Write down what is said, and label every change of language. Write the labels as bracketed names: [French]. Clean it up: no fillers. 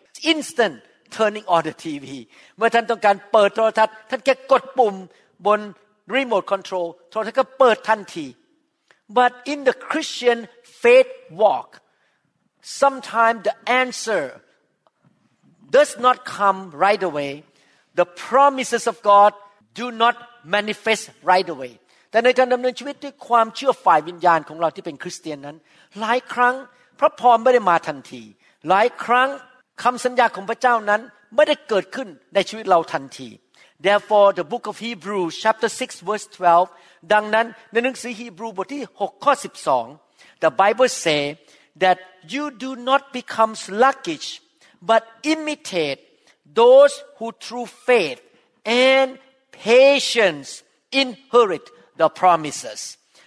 [English] It's instant turning on the TV. [Thai] เมื่อท่านต้องการเปิดโทรทัศน์ท่านแค่กดปุ่มบน remote control โทรทัศน์ก็เปิดทันที [English] But in the Christian faith walk, sometimes the answerdoes not come right away. The promises of God do not manifest right away. [Thai] แต่ในการดำเนินชีวิตด้วยความเชื่อฝ่ายวิญญาณของเราที่เป็นคริสเตียนนั้นหลายครั้งพระพรไม่ได้มาทันทีหลายครั้ง คำสัญญาของพระเจ้านั้นไม่ได้เกิดขึ้นในชีวิตเราทันที [English] Therefore, the book of Hebrews, chapter 6, verse 12, [Thai] ดังนั้นในหนังสือฮีบรูบทที่6ข้อ12 [English] the Bible say that you do not become sluggishBut imitate those who through faith and patience inherit the promises.